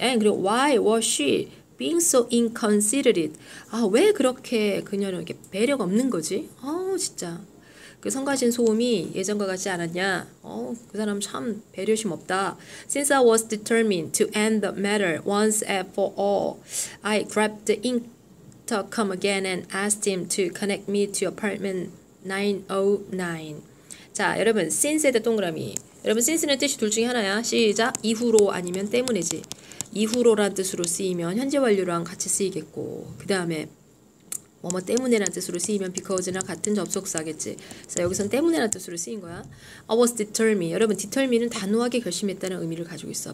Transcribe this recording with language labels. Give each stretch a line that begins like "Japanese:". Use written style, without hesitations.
English: And
Korean: 그리고
English: why was she being so inconsiderate?
Korean: 아, 왜 그렇게 그녀는 이렇게 배려가 없는 거지? 어우, 진짜. 그 성가신 소음이 예전과 같지 않았냐? 어, 그 사람 참 배려심 없다.
English: Since I was determined to end the matter once and for all, I grabbed the intercom again and asked him to connect me to apartment 909.
Korean: 자, 여러분, since에다 동그라미. 여러분, since는 뜻이 둘 중에 하나야. 시작. 이후로 아니면 때문이지. 이후로란 뜻으로 쓰이면 현재 완료랑 같이 쓰이겠고, 그 다음에 뭐뭐 때문에란 뜻으로 쓰이면 because나 같은 접속사겠지. 그래서 여기선 때문에란 뜻으로 쓰인 거야.
English: I was determined.
Korean: 여러분, determined은 단호하게 결심했다는 의미를 가지고 있어.